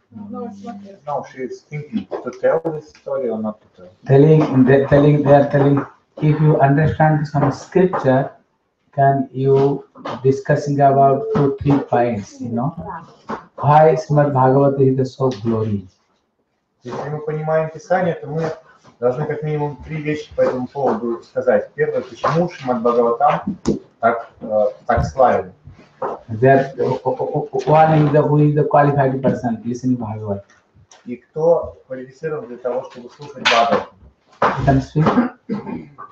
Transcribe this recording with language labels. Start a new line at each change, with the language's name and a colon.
English: No, she is thinking to tell this story or not to tell. They are telling. If you understand some scripture, can you discussing about 2-3 points, you know? Why Srimad Bhagavata is so glorious?
Russian: Если мы понимаем Писание, то мы должны как минимум три вещи по этому поводу сказать. Первое, почему Шримад Бхагаватам так славен?
English: One is the qualified person listening to Bhagavad.
Russian: И кто квалифицирован для того, чтобы слушать Бхагавад?
English: Can you speak?